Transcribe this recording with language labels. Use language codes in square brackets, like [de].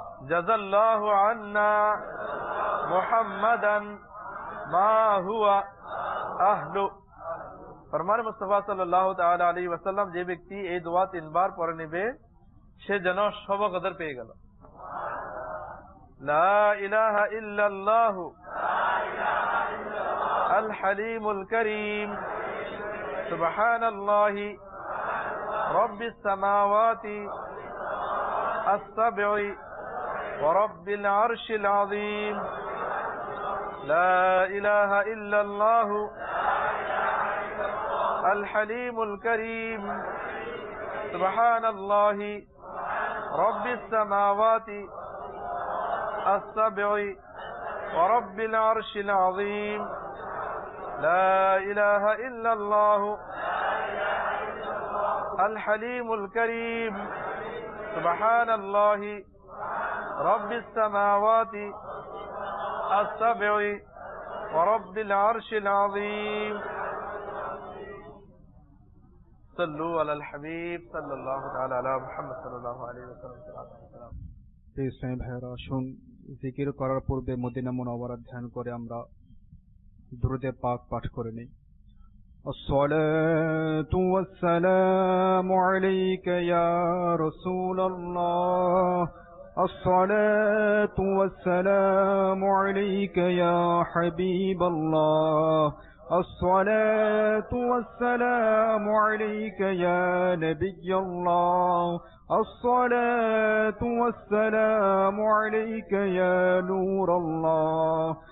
[ar] জাযাল্লাহু আন্না মুহাম্মাদান মা হুয়া আহলু। [bn] ফরমান মুস্তাফা সাল্লাল্লাহু তাআলা আলাইহি ওয়াসাল্লাম যে ব্যক্তি এই দোয়া 3 বার পড়ে নেবে সে যেন সবকদর পেয়ে গেল। [ar] লা ইলাহা ইল্লাল্লাহ আল হালিমুল করিম سبحان الله رب السماوات السبع ورب العرش العظيم لا إله إلا الله الحليم الكريم سبحان الله رب السماوات السبع ورب العرش العظيم لا إله إلا الله الحليم الكريم سبحان الله رب السماوات السبع ورب العرش العظيم صلوا على الحبيب صلى الله تعالى على محمد صلى الله عليه وسلم [bn] এই স্বয়ং ভাইয়ের আসুন জিকির করার পূর্বে মদিনা মুনাওয়ারা ধ্যান করে আমরা দুরুদে পাক পাঠ করে নিই। [ar] আসসালাতু ওয়াসসালামু আলাইকা ইয়া রাসূলুল্লাহ আসসালাতু ওয়াসসালামু আলাইকা ইয়া হাবিবাল্লাহ আসসালাতু ওয়াসসালামু আলাইকা ইয়া নবিয়াল্লাহ الصلاة والسلام عليك يا نور الله